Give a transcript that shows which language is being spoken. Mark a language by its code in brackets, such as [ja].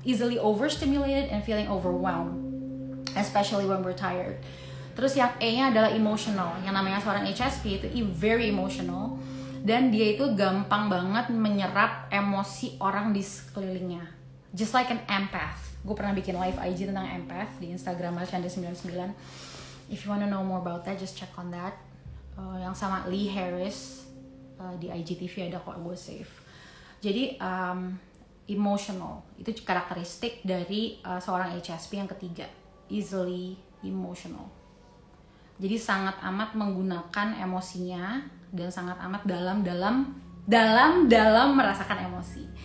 [en] Easily overstimulated and feeling overwhelmed, especially when we're tired. [id] Terus yang E-nya adalah emotional. Yang namanya seorang HSP itu [en] very emotional. [id] Dan dia itu gampang banget menyerap emosi orang di sekelilingnya. [en] Just like an empath. [id] Gue pernah bikin live IG tentang empath di Instagram Marchandi99. [en] If you wanna know more about that, just check on that. [id] Yang sama Lee Harris di IGTV ada kok, gue save. Jadi emotional itu karakteristik dari seorang HSP yang ketiga, [en] easily emotional. [id] Jadi sangat amat menggunakan emosinya dan sangat amat dalam merasakan emosi.